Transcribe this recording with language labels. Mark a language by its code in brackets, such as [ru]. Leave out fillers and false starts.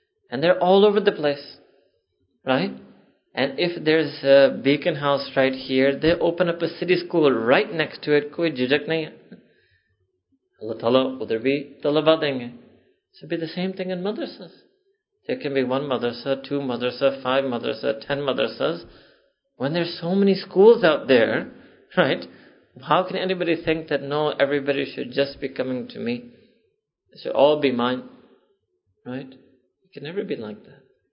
[en] And they're all over the place, right? And if there's a Beacon House right here, they open up a City School right next to it. [ur] کوئی جھجک نہیں ہے. اللہ تعالیٰ ادھر بھی طلبہ دیں گے. [en] So be the same thing in madrasas. There can be one madrasa, two madrasa, five madrasa, 10 madrasas. When there's so many schools out there, right? How can anybody think that no, everybody should just be coming to me? It should all be mine, right? It can never be like that.